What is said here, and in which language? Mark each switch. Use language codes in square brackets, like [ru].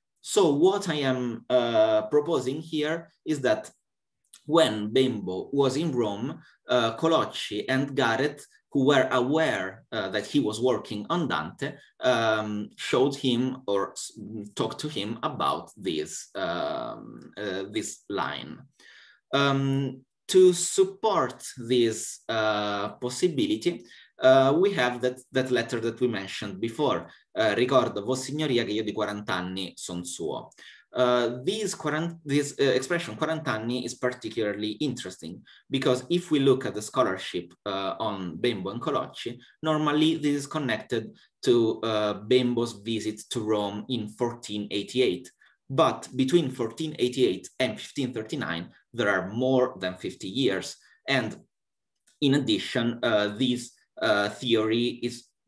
[en] So what I am proposing here is that when Bembo was in Rome, Colocci and Garret, who were aware that he was working on Dante, showed him or talked to him about this, this line. To support this possibility, we have that letter that we mentioned before. [it] Ricordo, Vos Signoria, che io di 40 anni son suo. [en] This expression, 40 anni, is particularly interesting because if we look at the scholarship on Bembo and Colocci, normally this is connected to Bembo's visit to Rome in 1488. But between 1488 and 1539, there are more than 50 years. And in addition, this theory is